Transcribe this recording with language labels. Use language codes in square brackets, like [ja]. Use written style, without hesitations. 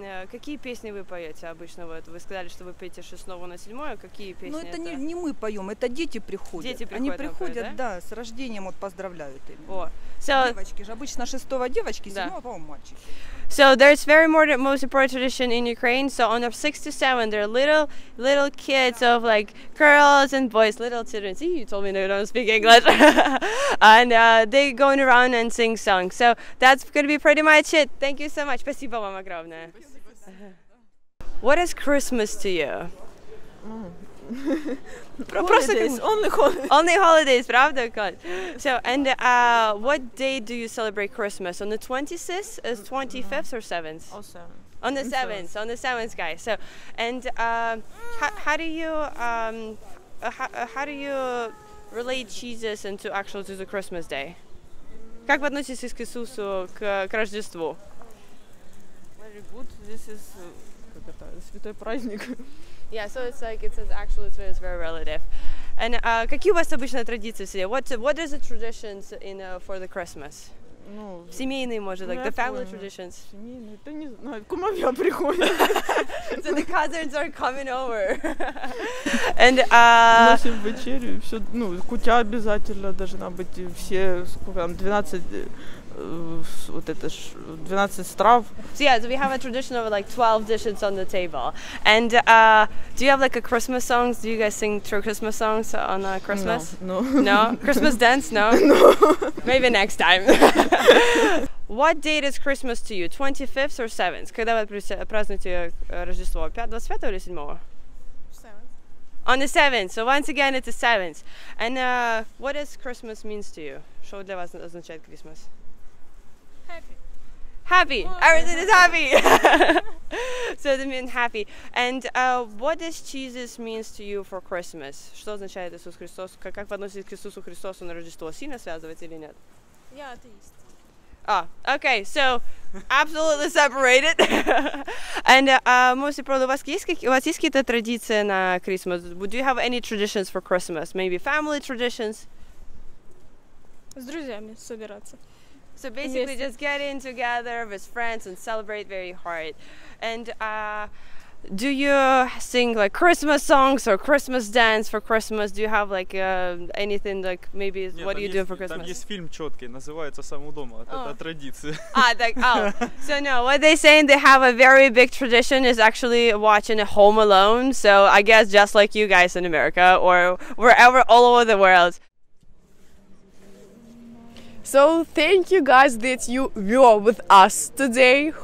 [ru] Какие песни вы поете обычно? Вот вы сказали, что вы пьете 6 на 7, какие песни? Ну, это не мы поем, это дети приходят. Дети приходят. Они приходят, да, с рождением вот поздравляют именно. Девочки же обычно 6 девочки, 7 по-моему, мальчики. [en] So there's very most important tradition in Ukraine. So on the 6 to 7, there are little kids of like girls and boys, little children. See, you told me they don't speak English. And they're going around and sing songs. So that's going to be pretty much it. Thank you so much. [ru] Спасибо вам огромное. [en] What is Christmas to you? Holidays. Only holidays, правда? God. So, and what day do you celebrate Christmas? On the 26th, 25th, or 7th? Awesome. On the 7th. On the 7th, guys. So, and how do you relate Jesus to the Christmas day? [ru] Как вы относитесь к Иисусу к Рождеству? [en] Very good. This is [ru] как это святой праздник. [en] Yeah, so it's like it's very relative. [ru] And какие у вас обычно традиции сидят? [en] What is the traditions in for the Christmas? [ru] Ну, семейные, может, [en] like the family traditions. [ru] Семейные, это не знаю. Кумовья приходит. [en] So the cousins are coming over. And [ru] носим вечерю, все, ну, кутя обязательно должна быть, все, сколько там, 12. Вот это ж 12 страв. [en] So yeah, so we have a tradition of like 12 dishes on the table. And do you have like a Christmas songs? Do you guys sing true Christmas songs on Christmas? No. Christmas dance? No. No. Maybe next time. What date is Christmas to you? 25th or 7th? [ru] Когда вы празднуете Рождество? [en] 25th [ru] или [en] 7th? On the 7th. So once again, it's the 7th. And what does Christmas means to you? [ru] Что для вас означает Christmas? [en] Happy. Everything is happy. So they mean happy. And what does Jesus means to you for Christmas? [ru] Что означает Иисус Христос? Как вы относитесь к Иисусу Христосу на Рождество? Сильно связывается или нет? Я атеист. [en] Okay. So absolutely separated. And most importantly, [ru] у вас есть какие-то традиции на Christmas? [en] Do you have any traditions for Christmas? Maybe family traditions? [ru] С друзьями собираться. [en] So basically, yes. Just getting together with friends and celebrate very hard. And do you sing like Christmas songs or Christmas dance for Christmas? Do you have like anything like maybe? [ru] Нет, [en] what are you doing for Christmas? [ru] Там есть фильм четкий, называется «Саму дома». Это традиция. [en] So no, what they're saying, they have a very big tradition is actually watching Home Alone. So I guess just like you guys in America or wherever, all over the world. So thank you guys that you were with us today.